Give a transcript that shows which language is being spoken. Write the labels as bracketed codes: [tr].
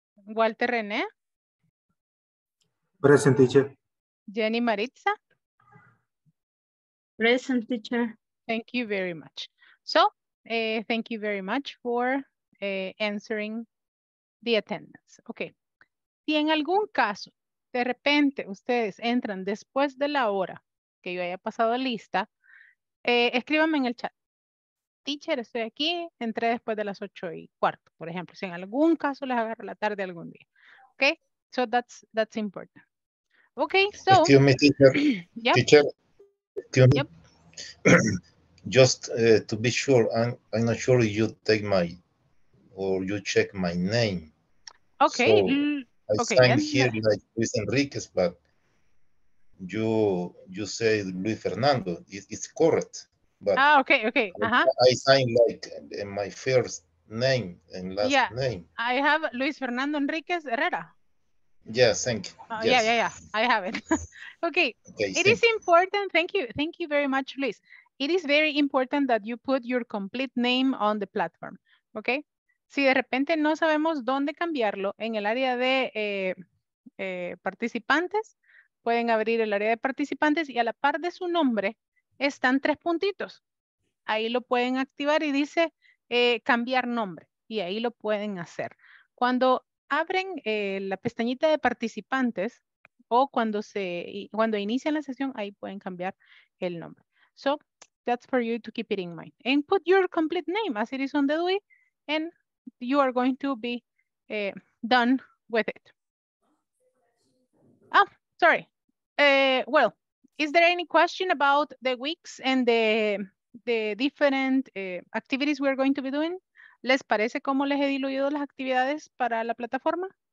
[en] Walter René. Present, teacher. Jenny Maritza. Present, teacher. Thank you very much. So, thank you very much for answering the attendance. Okay. [es] Si en algún caso, de repente, ustedes entran después de la hora que yo haya pasado lista, escríbanme en el chat. Teacher, estoy aquí, entré después de las 8:15, por ejemplo. Si en algún caso les agarro la tarde algún día. [en] Okay, so that's important. Okay, so... Excuse me, teacher. Yep. Teacher, excuse me. Yep. Just to be sure, I'm not sure you take my, or you check my name. Okay. So, I signed here like Luis Enriquez, but you say Luis Fernando. It's correct. But okay. Uh-huh. I signed like in my first name and last name. I have Luis Fernando Enriquez Herrera. Yes, thank you. Yes. Yeah. I have it. Okay. It is important. Thank you. Thank you very much, Luis. It is very important that you put your complete name on the platform. Okay. [es] Si de repente no sabemos dónde cambiarlo, en el área de participantes, pueden abrir el área de participantes y a la par de su nombre están tres puntitos. Ahí lo pueden activar y dice cambiar nombre. Y ahí lo pueden hacer. Cuando abren la pestañita de participantes o cuando inician la sesión, ahí pueden cambiar el nombre. [en] So, that's for you to keep it in mind. And put your complete name as it is on the DUI and you are going to be done with it. Oh, sorry. Well, is there any question about the weeks and the different activities we are going to be doing? [es] ¿Les parece cómo les he diluido las actividades para la plataforma?